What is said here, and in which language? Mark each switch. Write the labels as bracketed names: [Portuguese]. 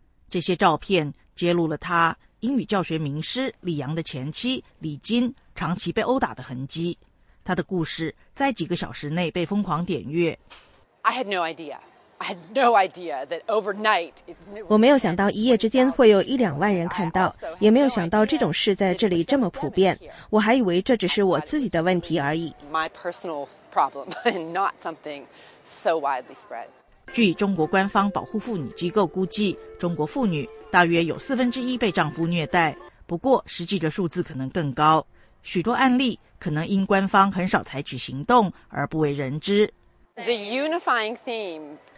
[Chinese] 这些照片揭露了她英语教学名师李阳的前妻李金长期被殴打的痕迹。她的故事在几个小时内被疯狂点阅。 [English] I had no idea. I had no idea that overnight. [Chinese] 我没有想到一夜之间会有一两万人看到，也没有想到这种事在这里这么普遍。我还以为这只是我自己的问题而已。 [English] My personal problem, and not something so widely spread. [Chinese] 据中国官方保护妇女机构估计，中国妇女大约有四分之一被丈夫虐待，不过实际的数字可能更高。许多案例可能因官方很少采取行动而不为人知。 [English] The unifying theme